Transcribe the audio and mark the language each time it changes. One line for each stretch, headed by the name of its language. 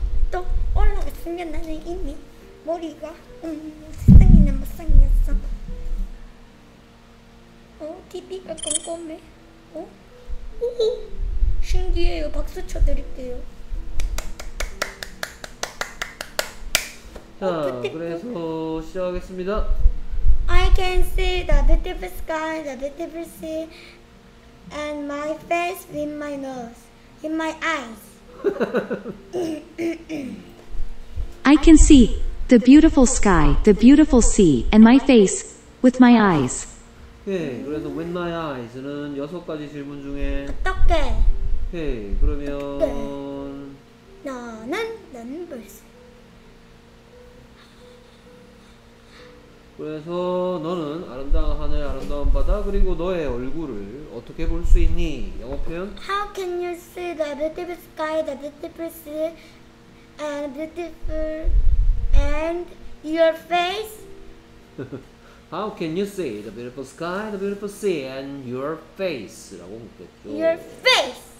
Korean: 또 올라가 생겼나는 이미 머리가 세상이나 못 생겼어. 어? TV가 꼼꼼해. 어? 오호! 신기해요. 박수 쳐드릴게요. 자, 그래서 시작하겠습니다.
English: I can see the beautiful sky, the beautiful sea, and my face with my nose, in my eyes. I can see the beautiful sky, the beautiful sea, and my face with my eyes.
Korean: 네, 그래서
English: with my eyes
Korean: 는 여섯 가지 질문 중에 어떻게? 네, 그러면 나는 나는 볼 수. 그래서 너는 아름다운 하늘, 아름다운 바다, 그리고 너의 얼굴을 어떻게 볼 수 있니? 영어 표현?
English: How can you see the beautiful sky, the beautiful sea, and beautiful and your face? How can you see the beautiful sky, the beautiful sea, and your face?
Korean: 라고 묻겠죠.
English: Your face!